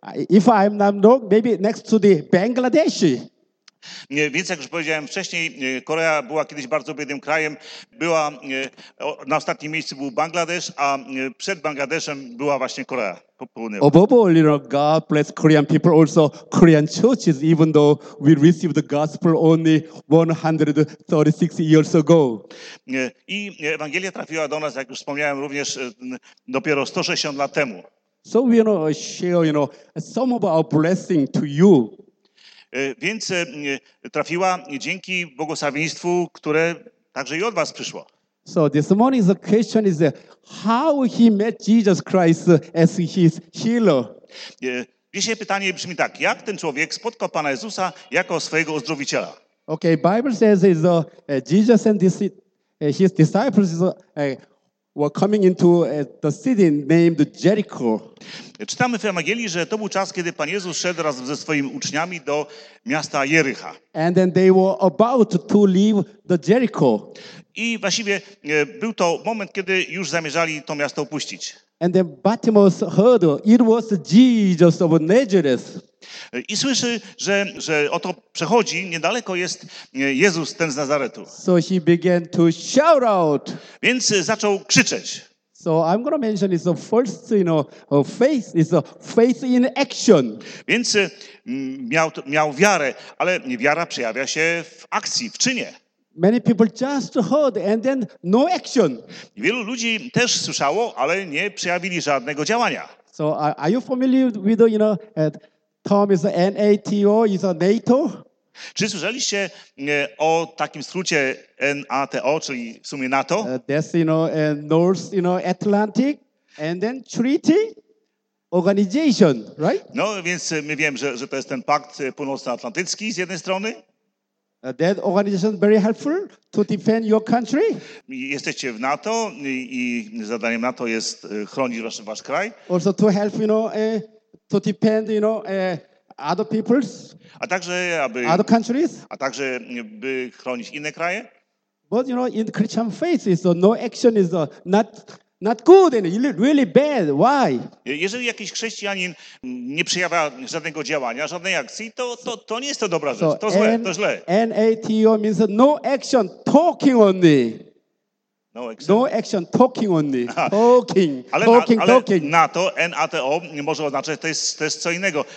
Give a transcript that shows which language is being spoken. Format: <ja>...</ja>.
<en>If I'm not wrong, maybe next to the Bangladesh.</en> <pl>Nie, więc jak już powiedziałem wcześniej, Korea była kiedyś bardzo biednym krajem. Była, na ostatnim miejscu był Bangladesz, a przed Bangladeszem była właśnie Korea Południowa.</pl> <en>Above all, you know, God bless Korean people, also Korean churches, even though we received the gospel only 136 years ago.</en> <pl>I Ewangelia trafiła do nas, jak już wspomniałem, również dopiero 160 lat temu.</pl> <en>So we, you know, share, you know, some of our blessing to you.</en> <pl>Więc trafiła dzięki błogosławieństwu, które także i od was przyszło.</pl> <en>So this morning the question is how he met Jesus Christ as his healer.</en> <pl>Dzisiaj pytanie brzmi tak: jak ten człowiek spotkał Pana Jezusa jako swojego uzdrowiciela?</pl> <en>Okay, Bible says is Jesus and his disciples were coming into the city named Jericho.</en> <pl>Czytamy w Ewangelii, że to był czas, kiedy Pan Jezus szedł raz ze swoimi uczniami do miasta Jerycha.</pl> <en>And then they were about to leave the Jericho.</en> <pl>I właściwie był to moment, kiedy już zamierzali to miasto opuścić.</pl> <en>And then Bartimaeus heard it was Jesus of Nazareth.</en> <pl>I słyszy, że oto przechodzi, niedaleko jest Jezus, ten z Nazaretu.</pl> <en>So he began to shout out.</en> <pl>Więc zaczął krzyczeć.</pl> <en>So I'm going to mention it's the first, you know, faith, it's a faith in action.</en> <pl>Więc miał wiarę, ale wiara przejawia się w akcji, w czynie.</pl> <en>Many people just heard and then no action.</en> <pl>Wielu ludzi też słyszało, ale nie przejawili żadnego działania.</pl> <en>So are you familiar with, you know, Tom is a NATO, is a NATO?</en> <pl>Czy słyszeliście o takim skrócie NATO, czyli w sumie NATO?</pl> <en>That's, you know, North, you know, Atlantic and then treaty organization, right?</en> <pl>No, więc my wiemy, że to jest ten pakt północnoatlantycki z jednej strony.</pl> <en>That organization very helpful to defend your country.</en> <pl>Jesteście w NATO i zadaniem NATO jest chronić wasz kraj.</pl> <en>Also to help, you know, to depend, you know, other peoples,</en> <pl>a także aby,</pl> <en>other countries,</en> <pl>a także by chronić inne kraje.</pl> <en>But you know, in Christian faith, so no action is not good and really bad. Why?</en> <pl>Jeżeli jakiś chrześcijanin nie przejawia żadnego działania, żadnej akcji, to nie jest to dobra rzecz. To złe, to źle.</pl> <en>NATO means no action, talking only. No action. No action, talking only. Talking,</en> <pl>ale</pl> <en>talking,</en> <pl>ale</pl> <en>talking.</en> <pl>NATO, N-A-T-O, może oznaczać, to jest co innego.</pl>